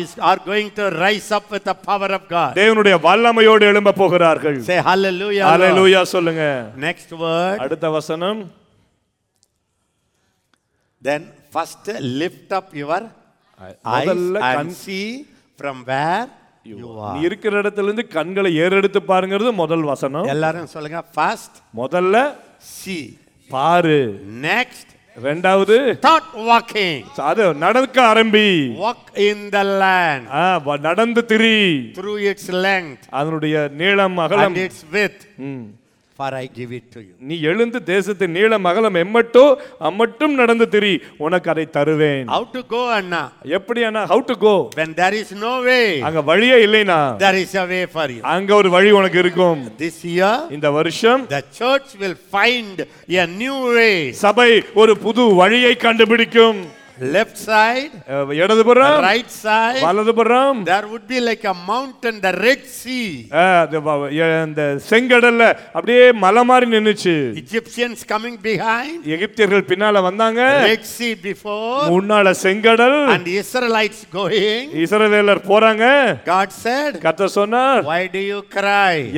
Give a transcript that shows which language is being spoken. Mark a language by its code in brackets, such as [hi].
[en] Are going to rise up with the power of God. [ta] தேவனுடைய வல்லமையோடு எழும்ப போகிறார்கள். [en] Say hallelujah. [ta] Hallelujah சொல்லுங்க. [en] Next word. [ta] அடுத்த வசனம். [en] Then first lift up your eyes and see from where [ta] இருக்கிற இடத்துல இருந்து கண்களை ஏறெடுத்து பாருங்கிறது முதல் வசனம். எல்லாரும் சொல்லுங்க. [en] first [ta] முதல்ல [en] see [ta] பாரு. [en] next [ta] ரெண்டாவது [en] start walking. [ta] அது நடக்க ஆரம்பி. [en] Walk in the land. [ta] நடந்து திரி. [en] Through its length. [ta] அதனுடைய நீளம் அகலம். [en] And its width. For I give it to you. [ta] நீ எழுந்து தேசத்தின் நீளம் அகலம் எம்மட்டோ அம்மட்டும் நடந்து திரி. உனக்கு அதை தருவேன். [en] How to go அண்ணா? [ta] எப்படி அண்ணா? [en] How to go? When there is no way. [ta] அங்க வழியே இல்லைனா? [en] There is a way for you. [ta] அங்க ஒரு வழி உனக்கு இருக்கும். [en] This year. [ta] இந்த வருஷம். [en] The church will find a new way. [ta] சபை ஒரு புது வழியை கண்டுபிடிக்கும். [en] Left side. [ta] இடதுபுறம். [en] Right side. [ta] வலதுபுறம். [en] There would be like a mountain, the Red Sea. [ta] அந்த செங்கடல்ல அப்படியே மலை மாதிரி நின்னுச்சு. [en] Egyptians coming behind. [ta] எகிப்தியர்கள் பின்னால வந்தாங்க. [en] Red Sea before. [ta] முன்னால செங்கடல். [en] And Israelites going. [ta] இஸ்ரவேலர் போறாங்க. [en] God said. [ta] கர்த்தர் சொன்னார். [en] Why do you cry?